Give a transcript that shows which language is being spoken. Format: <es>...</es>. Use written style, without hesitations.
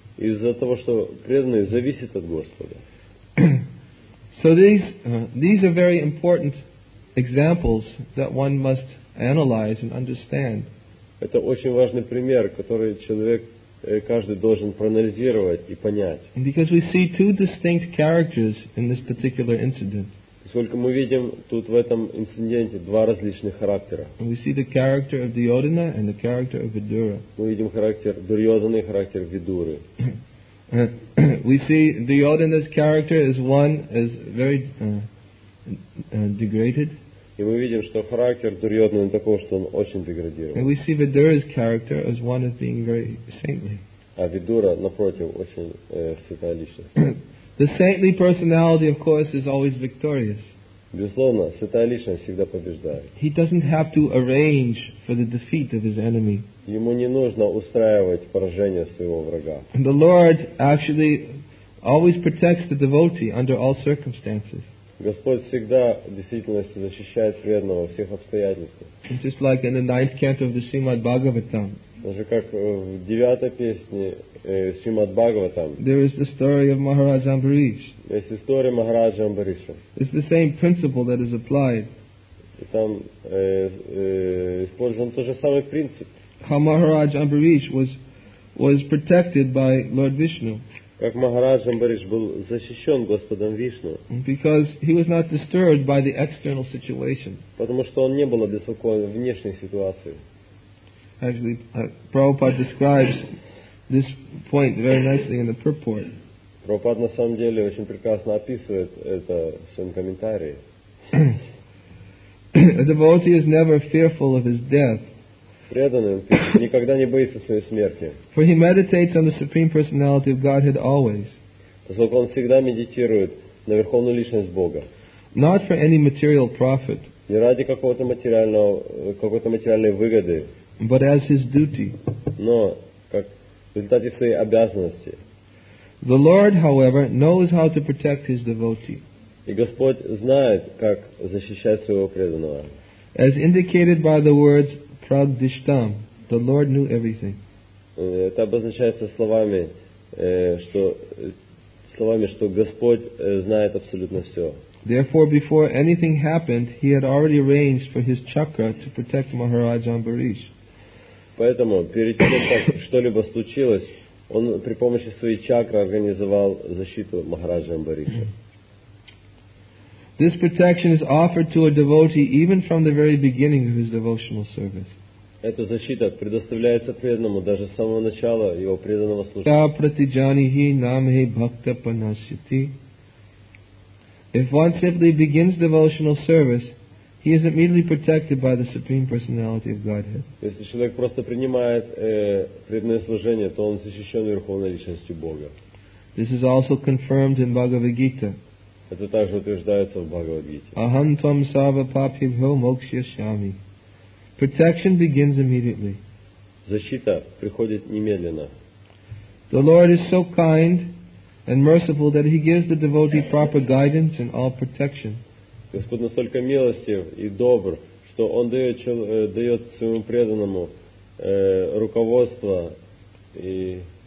<ru>Из-за того, что преданный зависит от Господа.</ru> <en>So these are very important examples that one must analyze and understand.</en> <ru>Это очень важный пример, который человек каждый должен проанализировать и понять.</ru> <en>Because we see two distinct characters in this particular incident.</en> <ru>Поскольку мы видим тут в этом инциденте два различных характера.</ru> <en>And we see the character of Duryodhana and the character of Vidura.</en> <ru>Мы видим характер Дурьодхана и характер Видуры.</ru> <en>We see Duryodhana's character as one as very degraded.</en> <ru>И мы видим, что характер Дурьодхана такой, что он очень деградирован.</ru> <en>And we see Vidura's character as one as being very saintly.</en> <ru>А Видура, напротив, очень святая личность.</ru> <en>The saintly personality, of course, is always victorious.</en> <ru>Безусловно, святая личность всегда побеждает.</ru> <en>He doesn't have to arrange for the defeat of his enemy.</en> <ru>Ему не нужно устраивать поражение своего врага.</ru> <en>And the Lord actually always protects the devotee under all circumstances.</en> <ru>Господь всегда в действительности защищает преданного во всех обстоятельствах.</ru> <en>And just like in the ninth canto of the Srimad Bhagavatam.</en> <ru>Даже как в девятой песне Шримад Бхагаватам.</ru> <en>There is the story of Maharaj Ambarish.</en> <ru>Есть история Махараджа Амбариша.</ru> <en>It's the same principle that is applied.</en> <ru>И там использован тот же самый принцип.</ru> <en>How Maharaj Ambarish was protected by Lord Vishnu.</en> <ru>Как Махарадж Амбариш был защищен Господом Вишну.</ru> <en>Because he was not disturbed by the external situation.</en> <ru>Потому что он не был обеспокоен внешней ситуацией.</ru> <en>Actually, Prabhupada describes this point very nicely in the purport.</en> <ru>Prabhupada, на самом деле, очень прекрасно описывает это в своем комментарии.</ru> <en>A devotee is never fearful of his death.</en> <ru>Преданный никогда не боится своей смерти.</ru> <en>For he meditates on the Supreme Personality of Godhead always.</en> <ru>Поскольку он всегда медитирует на Верховную Личность Бога.</ru> <en>Not for any material profit.</en> <ru>Не ради какой-то материальной выгоды.</ru> <en>But as his duty.</en> <ru>Но как в результате своей обязанности.</ru> <en>The Lord, however, knows how to protect his devotee.</en> <ru>И Господь знает, как защищать своего преданного.</ru> <en>As indicated by the words Прагдиштам, the Lord knew everything.</en> <ru>Это обозначается словами, что Господь знает абсолютно все.</ru> <en>Therefore, before anything happened, he had already arranged for his chakra to protect Maharaj Ambarish.</en> <ru>Поэтому, перед тем, как что-либо случилось, он при помощи своей чакры организовал защиту Махараджа Амбариша.</ru> <en>This protection is offered to a devotee even from the very beginning of his devotional service.</en> <ru>Эта защита предоставляется преданному даже с самого начала его преданного служения.</ru> <sa>Я пратиджанихи намхи бхакта панасити.</sa> <en>If one simply begins devotional service, he is immediately protected by the Supreme Personality of Godhead.</en> <ru>Если человек просто принимает преданное служение, то он защищен Верховной Личностью Бога.</ru> <en>This is also confirmed in Bhagavad Gita.</en> <ru>Это также утверждается в Бхагавад Гите.</ru> <sa>Ахам твам сарва папхибхьо мокшьяшьями.</sa> <en>Protection begins immediately.</en> <ru>Защита приходит немедленно.</ru> <en>The Lord is so kind and merciful that he gives the devotee proper guidance and all protection.</en> <ru>Господь настолько милостив и добр, что Он дает своему преданному руководство и</ru>